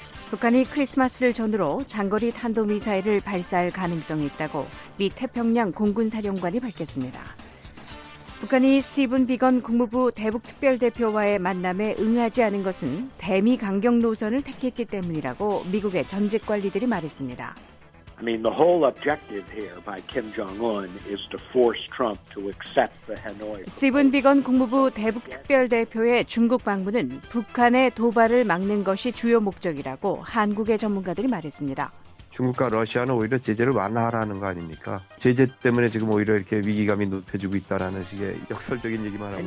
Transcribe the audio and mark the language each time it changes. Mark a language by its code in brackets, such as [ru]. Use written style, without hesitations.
[ko] 북한이 크리스마스를 전후로 장거리 탄도미사일을 발사할 가능성이 있다고 미 태평양 공군사령관이 밝혔습니다. 북한이 스티븐 비건 국무부 대북특별대표와의 만남에 응하지 않은 것은 대미 강경 노선을 택했기 때문이라고 미국의 전직 관리들이 말했습니다. [en] I mean, the whole objective here by Kim Jong-un is to force Trump to accept the Hanoi. [ko] 스티븐 비건 국무부 대북특별대표의 중국 방문은 북한의 도발을 막는 것이 주요 목적이라고 한국의 전문가들이 말했습니다. 중국과 러시아는 오히려 제재를 완화하라는 거 아닙니까? 제재 때문에 지금 오히려 이렇게 위기감이 높아지고 있다라는 식의 역설적인 얘기만 하고